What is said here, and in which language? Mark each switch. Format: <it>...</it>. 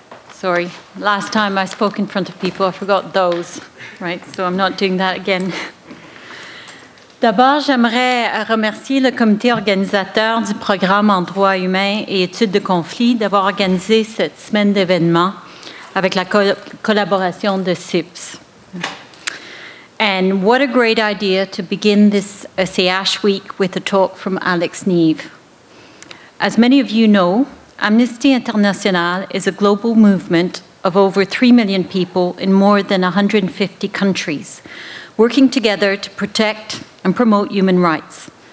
<en>Sorry, last time I spoke in front of people, I forgot those, right? So I'm not doing that again.</en> <fr>D'abord, j'aimerais remercier le comité organisateur du programme en droit humain et études de conflit d'avoir organisé cette semaine d'événements avec la collaboration de CIPS.</fr> <en>And what a great idea to begin this SAH week with a talk from Alex Neve. As many of you know, Amnesty International is a global movement of over 3 million people in more than 150 countries, working together to protect and promote human rights.</en>